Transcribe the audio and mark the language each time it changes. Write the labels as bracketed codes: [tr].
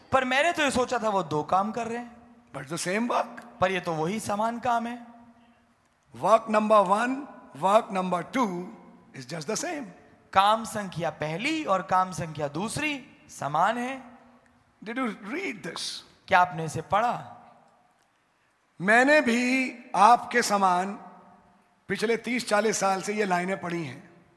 [hi] पर मैंने तो ये सोचा था वो दो काम कर रहे हैं. [en] But the same work. [hi] पर ये तो वही समान काम है. [en] Work number one, work number two is just the same. [hi] काम संख्या पहली और काम संख्या दूसरी समान है. [en] Did you read this? [hi] क्या आपने इसे पढ़ा? मैंने भी आपके समान पिछले 30-40 साल से ये लाइनें पढ़ी हैं.